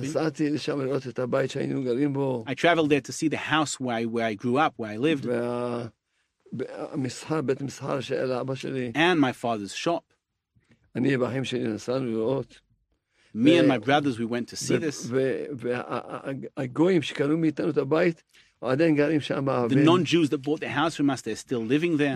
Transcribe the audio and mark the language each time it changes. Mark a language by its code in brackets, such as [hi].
[he] נסעתי לשם לראות את הבית שהיינו גרים בו. [en] I traveled there to see the house where I grew up, where I lived. [he] והמסחר, בית המסחר של אבא שלי. [en] And my father's shop. [he] אני ואחים שלי נסענו לראות. [en] Me and my brothers, we went to see this. [he] והגויים שקנו מאיתנו את הבית, [en] The non-Jews that bought the house from us, they're still living there.